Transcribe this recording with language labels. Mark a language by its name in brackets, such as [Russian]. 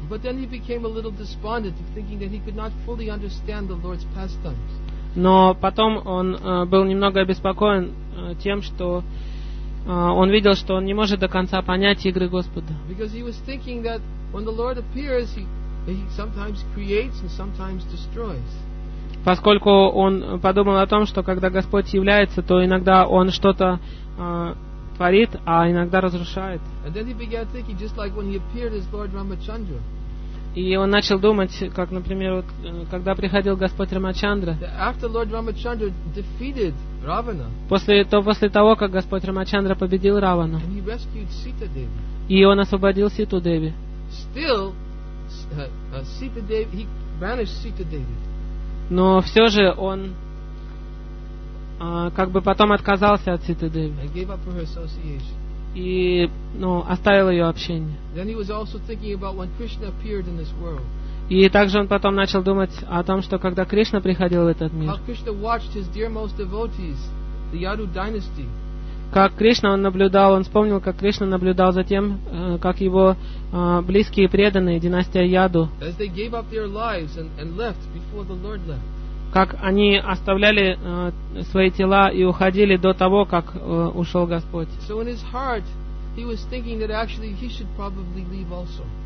[English] But then he became a little despondent, thinking that he could not fully understand the Lord's pastimes. [Russian] Но потом он был немного обеспокоен тем, что он видел, что он не может до конца понять игры Господа. [English] Because he was thinking that when the Lord appears, he sometimes creates and sometimes destroys. [Russian] Поскольку он подумал о том, что когда Господь является, то иногда он что-то творит, а иногда разрушает. [English] And then he began thinking, just like when he appeared as Lord Ramachandra. [Russian] И он начал думать, как, например, вот, когда приходил Господь Рамачандра. [English] After Lord Ramachandra defeated Ravana. [Russian] После того, как Господь Рамачандра победил Равану. [English] And he rescued Sita Devi. [Russian] И он освободил Ситу Деви. [English] Still, Sita Devi, he banished Sita Devi. [Russian] Но все же он потом отказался от Ситы Деви. [English] And gave up for her association. [Russian] И, оставил ее общение. [English] Then he was also thinking about when Krishna appeared in this world. [Russian] И также он потом начал думать о том, что когда Кришна приходил в этот мир. [English] How Krishna watched his dearmost devotees, the Yadu dynasty. [Russian] Как Кришна, он наблюдал, он вспомнил, как Кришна наблюдал за тем, как его близкие преданные, династия Яду. [English] As they gave up their lives and left before the Lord left. [Russian] Как они оставляли свои тела и уходили до того, как ушел Господь. [English] So in his heart, he was thinking that actually he should probably leave also.